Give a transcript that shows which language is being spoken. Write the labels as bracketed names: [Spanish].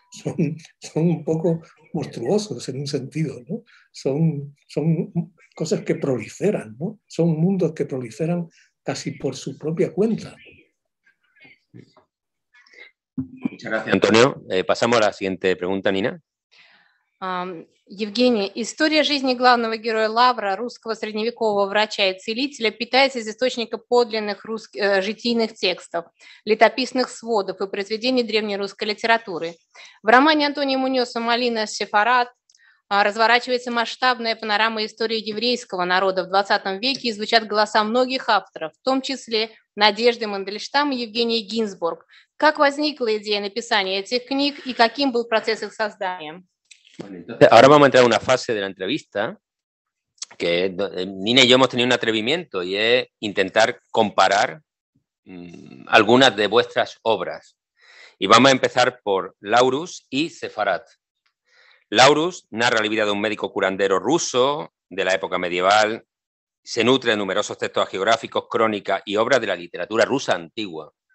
[Spanish] Son un poco monstruosos en un sentido, ¿no? Son cosas que proliferan, ¿no? Son mundos que proliferan casi por su propia cuenta. Muchas gracias, Antonio. Pasamos a la siguiente pregunta, Nina. [Russian] Евгений, история жизни главного героя Лавра, русского средневекового врача и целителя, питается из источника подлинных житийных текстов, летописных сводов и произведений древнерусской литературы. В романе Антония Муниоса «Малина Сефарад» разворачивается масштабная панорама истории еврейского народа в XX веке и звучат голоса многих авторов, в том числе Надежды Мандельштам и Евгения Гинзбург. Как возникла идея написания этих книг и каким был процесс их создания? [Spanish] Entonces, ahora vamos a entrar a una fase de la entrevista que Nina y yo hemos tenido un atrevimiento y es intentar comparar algunas de vuestras obras. Y vamos a empezar por Laurus y Sefarad. Laurus narra la vida de un médico curandero ruso de la época medieval, se nutre de numerosos textos geográficos, crónicas y obras de la literatura rusa antigua.